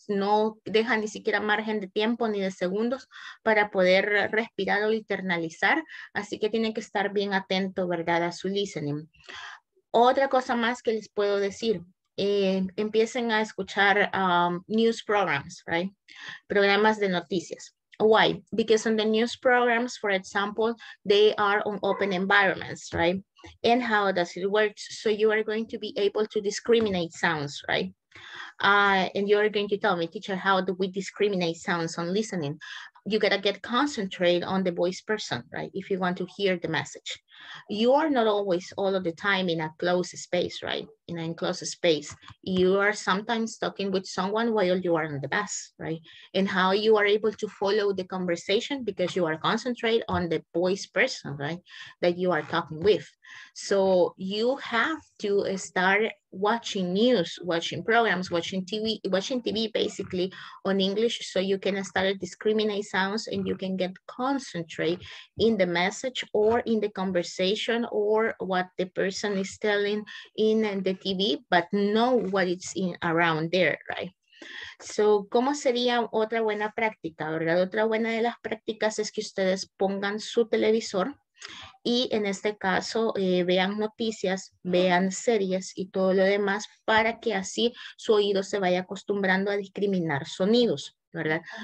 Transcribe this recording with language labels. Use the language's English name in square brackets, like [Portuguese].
[Spanish] No deja ni siquiera margen de tiempo ni de segundos para poder respirar o internalizar, así que tienen que estar bien atento, ¿verdad? A su listening. Otra cosa más que les puedo decir, empiecen a escuchar [English] news programs, right? [Spanish] Programas de noticias. [English] Why? Because on the news programs, for example, they are on open environments, right? And how does it work? So you are going to be able to discriminate sounds, right? And you are going to tell me, teacher, how do we discriminate sounds on listening? You gotta get concentrated on the voice person, right? If you want to hear the message. You are not always all of the time in a closed space, right? In an enclosed space. You are sometimes talking with someone while you are on the bus, right? And how you are able to follow the conversation because you are concentrated on the voice person, right? That you are talking with. So you have to start watching news, watching programs, watching TV basically on English so you can start to discriminate sounds and you can get concentrated in the message or in the conversation or what the person is telling in the TV, but know what it's in around there, right? [Spanish] So, ¿cómo sería otra buena práctica, verdad? Otra buena de las prácticas es que ustedes pongan su televisor y en este caso vean noticias, vean series y todo lo demás para que así su oído se vaya acostumbrando a discriminar sonidos, ¿verdad?